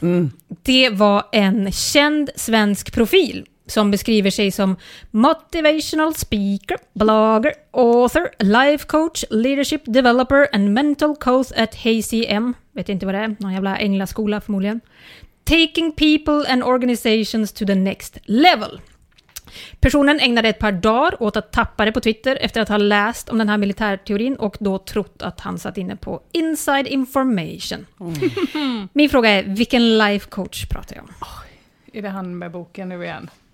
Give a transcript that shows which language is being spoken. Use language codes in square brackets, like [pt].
[sv] Mm. Det var en känd svensk profil som beskriver sig som [en] motivational speaker, blogger, author, life coach, leadership developer and mental coach at HCM. [sv] Vet inte vad det är. Någon jävla änglaskola förmodligen. [en] Taking people and organizations to the next level. [sv] Personen ägnade ett par dagar åt att tappa det på Twitter efter att ha läst om den här militärteorin och då trott att han satt inne på [en] inside information. [sv] Min fråga är, vilken life coach pratar jag om? Är det han med boken nu igen?